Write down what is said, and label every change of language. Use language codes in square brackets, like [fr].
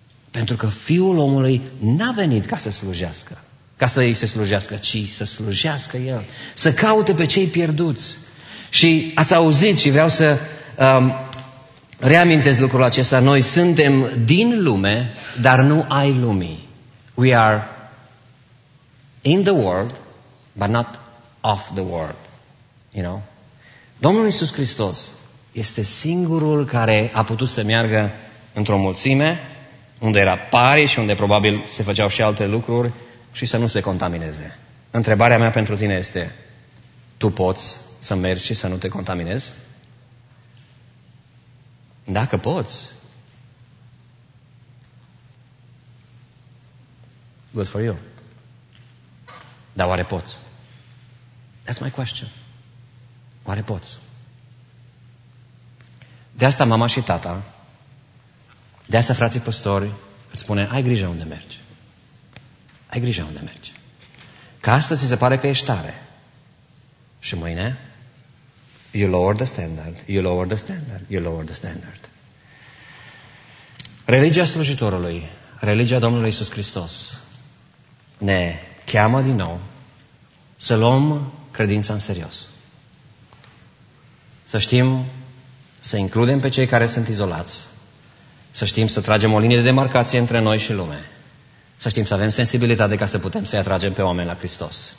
[ro] Pentru că Fiul omului n-a venit ca să slujească, ca să îi se slujească, ci să slujească El, să caute pe cei pierduți. Și ați auzit și vreau să reamintesc lucrul acesta. Noi suntem din lume, dar nu ai lumii. [en] We are in the world, but not of the world. You know? [ro] Domnul Iisus Hristos este singurul care a putut să meargă într-o mulțime, unde era pari și unde probabil se făceau și alte lucruri, și să nu se contamineze. Întrebarea mea pentru tine este, tu poți să mergi și să nu te contaminezi? Dacă poți. [en] Good for you. [ro] Dar oare poți? [en] That's my question. [ro] Oare poți? De asta mama și tata, de asta frații păstori, îți spune, ai grijă unde mergi. Ai grijă unde mergi. Că astăzi se pare că ești tare. Și mâine, [en] you lower the standard, you lower the standard, you lower the standard. [ro] Religia slujitorului, religia Domnului Iisus Hristos, ne cheamă din nou să luăm credința în serios. Să știm să includem pe cei care sunt izolați, să știm să tragem o linie de demarcație între noi și lume, să știm să avem sensibilitate ca să putem să-i atragem pe oameni la Hristos.